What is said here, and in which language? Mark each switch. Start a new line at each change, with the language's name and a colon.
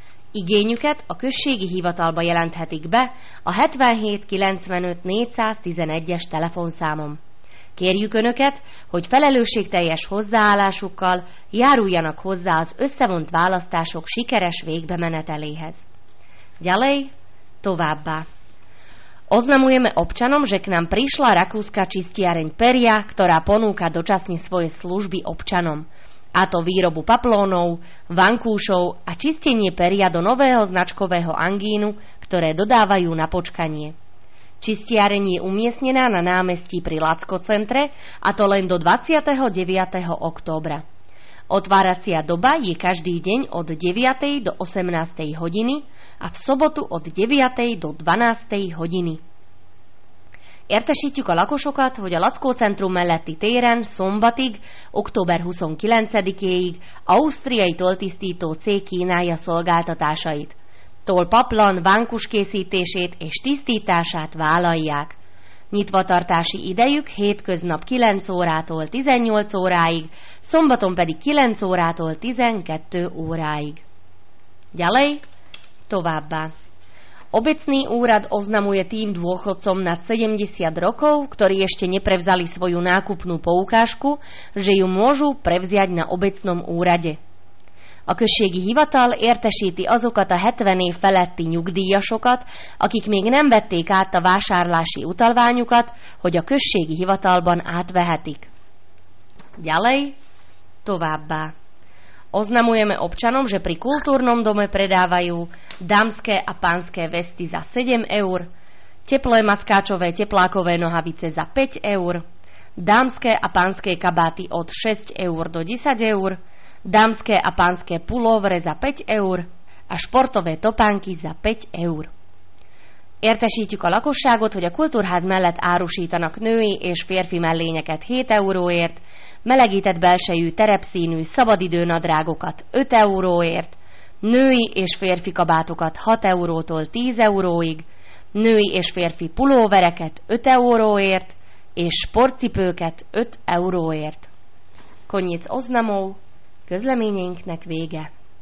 Hungarian: Igényüket a községi hivatalba jelenthetik be a 77-95-411-es telefonszámon. Kérjük Önöket, hogy felelősségteljes hozzáállásukkal járuljanak hozzá az összevont választások sikeres végbemeneteléhez.
Slovak: Ďalej,
Hungarian: továbbá.
Slovak: Oznamujeme občanom, že k nám prišla rakúska čistiareň Peria, ktorá ponúka dočasne svoje služby občanom, a to výrobu paplónov, vankúšov a čistenie peria do nového značkového angínu, ktoré dodávajú na počkanie. Čistiareň je umiestnená na námestí pri Lacko centre, a to len do 29. októbra. Otváracia doba je každý deň od 9. do 18. hodiny a v sobotu od 9. do 12. hodiny.
Hungarian: Értesítjük a lakosokat, hogy a Lackó centrum melletti téren szombatig, október 29-éig ausztriai tolltisztító cég kínálja szolgáltatásait. Tollpaplan, vánkus készítését és tisztítását vállalják. Nyitvatartási idejük hétköznap 9 órától 18 óráig, szombaton pedig 9 órától 12 óráig.
Slovak: Ďalej,
Hungarian: továbbá.
Slovak: Obecný úrad oznamuje tým dôchodcom nad 70 rokov, ktorí ešte neprevzali svoju nákupnú poukážku, že ju môžu prevziať na obecnom úrade.
Hungarian: A községi hivatal értesíti azokat a 70 év feletti nyugdíjasokat, akik még nem vették át a vásárlási utalványukat, hogy a községi hivatalban átvehetik.
Slovak: Ďalej,
Hungarian: továbbá.
Slovak: Oznamujeme občanom, že pri kultúrnom dome predávajú dámske a pánske vesty za 7 eur, teplé maskáčové teplákové nohavice za 5 eur, dámske a pánske kabáty od 6 eur do 10 eur, dámske a pánske pulóvre za 5 eur a športové topánky za 5 eur.
Hungarian: Értesítjük a lakosságot, hogy a kultúrház mellett árusítanak női és férfi mellényeket 7 euróért, melegített belsejű terepszínű szabadidő nadrágokat 5 euróért, női és férfi kabátokat 6 eurótól 10 euróig, női és férfi pulóvereket 5 euróért és sportcipőket 5 euróért.
Slovak: Konnyit oznamov,
Hungarian: közleményeinknek vége.